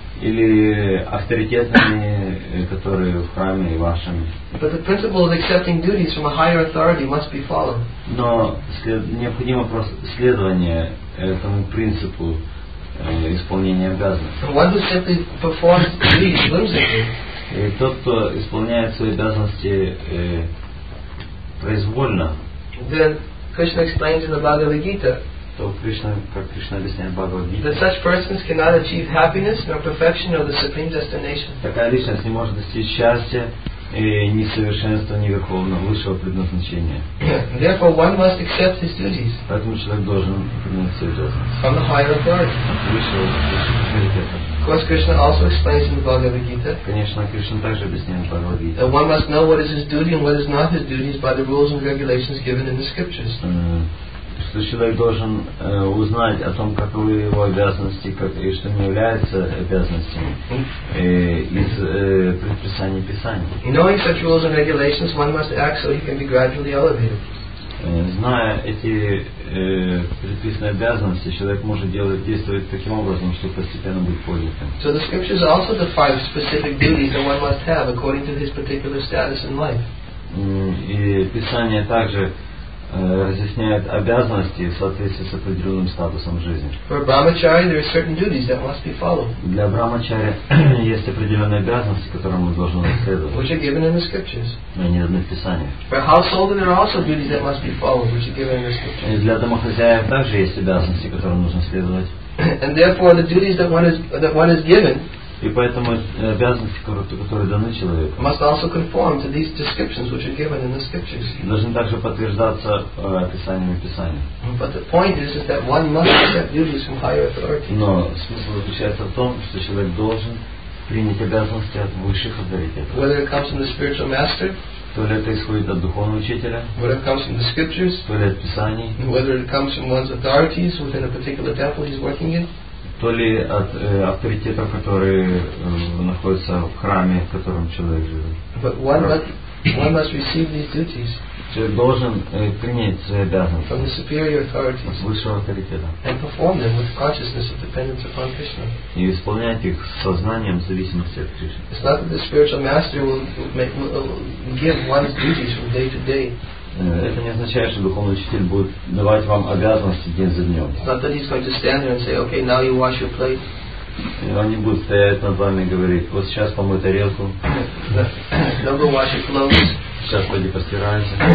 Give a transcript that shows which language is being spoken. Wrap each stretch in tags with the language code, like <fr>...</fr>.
<ru>Или авторитетами, которые в храме и в ашраме.</ru> <en>But the principle of accepting duties from a higher authority must be followed.</en> <ru>Но необходимо следование этому принципу исполнение обязанностей.</ru> <en>What does simply perform duties lose?</en> <ru>И тот, кто исполняет свои обязанности произвольно,</ru> <en>then Krishna explains in the Bhagavad Gita. That such persons cannot achieve happiness nor perfection of the supreme destination.</en> <ru>Такая личность не может достичь счастья и ни совершенства, ни верховного высшего предназначения.</ru> <en>Therefore, one must accept his duties.</en> <ru>Поэтому человек должен принять свои обязанности.</ru> <en>From the higher authority. Of course, Krishna also explains in the Bhagavad Gita.</en> <ru>Конечно, Кришна также объясняет в Бхагавад Гите.</ru> <en>That one must know what is his duty and what is not his duty by the rules and regulations given in the scriptures.</en> <ru>Что человек должен узнать о том, каковы его обязанности, как, и что не является обязанностями из предписаний Писания.</ru> <en>Knowing such rules and regulations, one must act so he can be gradually elevated.</en> <ru>Зная эти предписанные обязанности, человек может делать, действовать таким образом, что постепенно будет поднятым.</ru> <en>So the scriptures also define specific duties that one must have according to his particular status in life.</en> <ru>И Писание также разъясняет обязанности в соответствии с определенным статусом жизни.</ru> <en>For brahmachari, there are certain duties that must be followed.</en> <ru>Для брахмачари есть определенные обязанности, которым он должен следовать.</ru> <en>Which are given in the scriptures.</en> <ru>Они даны в Писании.</ru> <en>For householder, there are also duties that must be followed, which are given in the scriptures.</en> <ru>И для домохозяев также есть обязанности, которым нужно следовать.</ru> <en>And therefore, the duties that one is given.</en> <ru>И поэтому обязанности, которые даны человеку,</ru> <en>must also conform to these descriptions which are given in the scriptures.</en> <ru>Должны также подтверждаться описаниями Писания.</ru> <en>But the point is that one must accept duties from higher authority.</en> <ru>Но смысл заключается в том, что человек должен принять обязанности от высших авторитетов.</ru> <en>Whether it comes from the spiritual master,</en> <ru>то ли это исходит от духовного учителя,</ru> <en>whether it comes from the scriptures,</en> <ru>то ли от Писаний,</ru> <en>whether it comes from one's authorities within a particular temple he's working in,</en> <ru>то ли от авторитетов, которые находятся в храме, в котором человек живет.</ru> <en>But one must receive these duties.</en> <ru>Человек должен принять свои обязанности</ru> <en>from the superior authorities</en> <ru>от высшего авторитета</ru> <en>and perform them with consciousness of dependence upon Krishna.</en> <ru>И исполнять их с сознанием в зависимости от Кришны.</ru> <en>It's not that the spiritual master will give one's duties from day to day.</en> <ru>Это не означает, что духовный учитель будет давать вам обязанности день за днем.</ru> <en>Not that he's going to stand there and say, okay, now you wash your plate.</en> <ru>Он не будет стоять над вами и говорить, вот сейчас помой тарелку.</ru> <en>Now go wash your clothes.</en> <ru>Сейчас пойди постирайся.</ru>